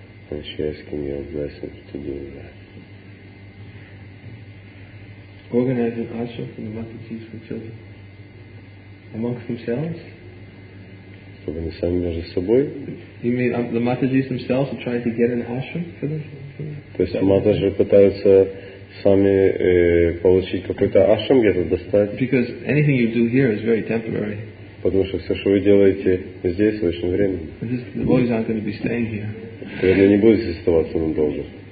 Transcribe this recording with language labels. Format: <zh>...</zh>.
<en>And she asking your blessing to do that. Organizing ashram for the Matajis for children. Amongst themselves?</en> <ru>Чтобы сами между собой.</ru> <en>You mean the Matajis themselves are trying to get an ashram for them?</en> <ru>То есть Матаджи пытаются сами получить какой-то ашрам где-то достать.</ru> <en>Because anything you do here is very temporary.</en> <ru>Потому что все, что вы делаете здесь, очень временно.</ru> <en>This, the boys aren't going to be staying here.</en> <ru>Преданные не будут здесь оставаться надолго.</ru>